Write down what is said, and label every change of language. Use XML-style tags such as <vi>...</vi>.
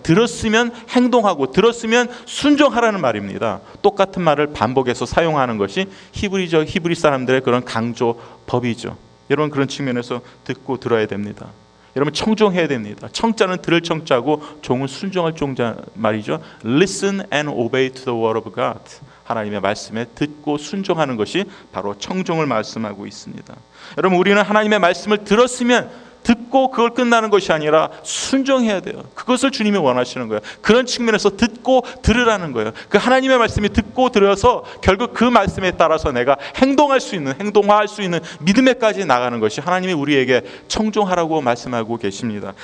<ko>들었으면 행동하고 들었으면 순종하라는 말입니다. 똑같은 말을 반복해서 사용하는 것이 히브리 사람들의 그런 강조법이죠. 여러분 그런 측면에서 듣고 들어야 됩니다. 여러분 청종해야 됩니다. 청자는 들을 청자고 종은 순종할 종자 말이죠.</ko> <en>Listen and obey to the word of God.</en> <ko>하나님의 말씀에 듣고 순종하는 것이 바로 청종을 말씀하고 있습니다. 여러분 우리는 하나님의 말씀을 들었으면 듣고 그걸 끝나는 것이 아니라 순종해야 돼요. 그것을 주님이 원하시는 거예요. 그런 측면에서 듣고 들으라는 거예요. 그 하나님의 말씀이 듣고 들어서 결국 그 말씀에 따라서 내가 행동할 수 있는 행동화할 수 있는 믿음에까지 나가는 것이 하나님이 우리에게 청종하라고 말씀하고 계십니다.</ko>